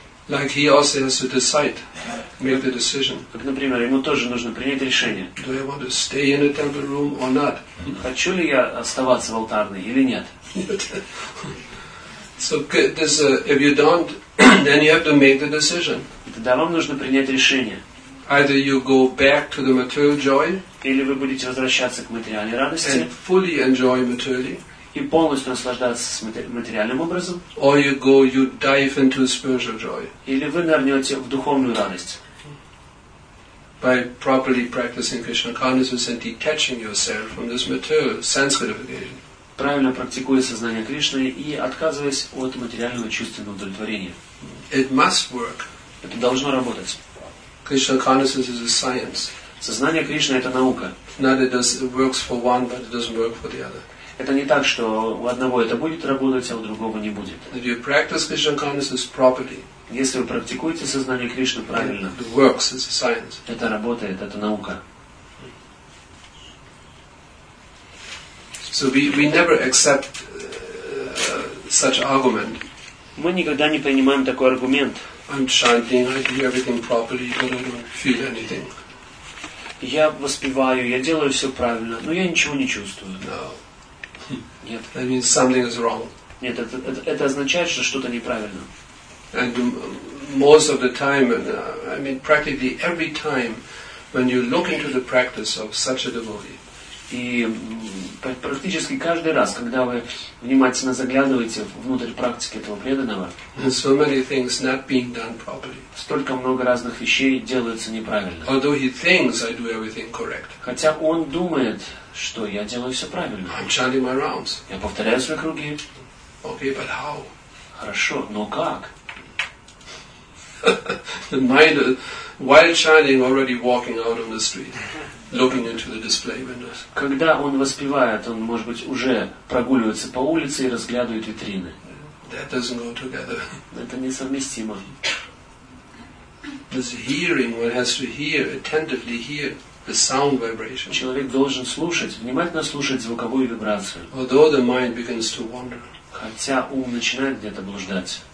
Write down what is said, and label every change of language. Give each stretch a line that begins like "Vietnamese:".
English: Like he also has to decide, make the decision.
Russian: Как, например, ему тоже нужно принять решение.
English: Do I want to stay in the temple room or not?
Russian: Хочу ли я оставаться в алтарной или нет?
English: So this, if you don't, then you have to make the decision.
Russian: Тогда вам нужно принять решение.
English: Either you go back to the material joy.
Russian: Или вы будете возвращаться к материальной радости.
English: And fully enjoy materially.
Russian: И полностью наслаждаться материальным образом.
English: Or you go, you dive into spiritual joy.
Russian: Или вы нырнете в духовную радость.
English: By properly practicing Krishna consciousness and detaching yourself from this material sense gratification.
Russian: Правильно практикуя сознание Кришны и отказываясь от материального чувственного удовлетворения.
English: It must work.
Russian: Это должно работать.
English: Krishna consciousness is a science.
Russian: Сознание Кришны это наука.
English: Not it does, it works for one, but it doesn't work for the other.
Russian: Это не так, что у одного это будет работать, а у другого не будет.
English: If you practice Krishna consciousness properly,
Russian: если вы практикуете сознание Кришны правильно,
English: it works, it's a science.
Russian: Это работает, это наука.
English: So we never accept such argument.
Russian: Мы никогда не принимаем такой аргумент.
English: I'm chanting, I do everything properly, but I don't feel anything.
Russian: Я воспеваю, я делаю все правильно, но я ничего не чувствую.
English: No.
Russian: Нет.
English: That means something is wrong.
Russian: Нет, это означает, что что-то неправильно.
English: And most of the time, I mean, practically every time, when you look into the practice of such a devotee.
Russian: И практически каждый раз, когда вы внимательно заглядываете внутрь практики этого преданного.
English: So many things not being done properly.
Russian: Столько много разных вещей делается неправильно.
English: Although he thinks I do everything correct.
Russian: Хотя он думает. Что я делаю все правильно?
English: I'm chanting my rounds.
Russian: Я повторяю свои круги.
English: Okay, but how?
Russian: Хорошо, но как?
English: The mind, while chanting, already walking out on the street, looking into the display windows.
Russian: Когда он воспевает, он, может быть, уже прогуливается по улице и разглядывает витрины.
English: That doesn't go together.
Russian: Это несовместимо.
English: This hearing, one has to hear attentively hear. The sound vibration.
Russian: Человек должен слушать, внимательно слушать звуковую вибрацию.
English: Although the mind begins to wander.
Russian: Хотя ум начинает где-то блуждать.